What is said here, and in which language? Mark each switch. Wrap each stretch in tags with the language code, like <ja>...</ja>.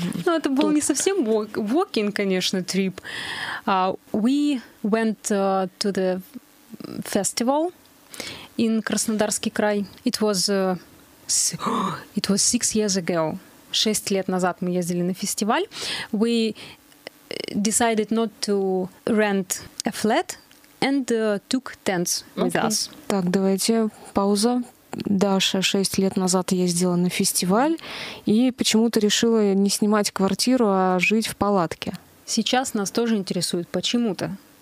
<ru>Ну, это был не совсем</ru> <en>walking,</en> <ru>конечно,</ru> <en>trip. We went to the festival in Краснодарский край. It was 6 years ago.</en> <ru>6 лет назад мы ездили на фестиваль.</ru> <en>We decided not to rent a flat and took tents with us.</en> <ru>Так, давайте пауза. Даша 6 лет назад ездила на фестиваль и почему-то решила не снимать квартиру, а жить в палатке. Сейчас нас тоже интересует почему-то.</ru>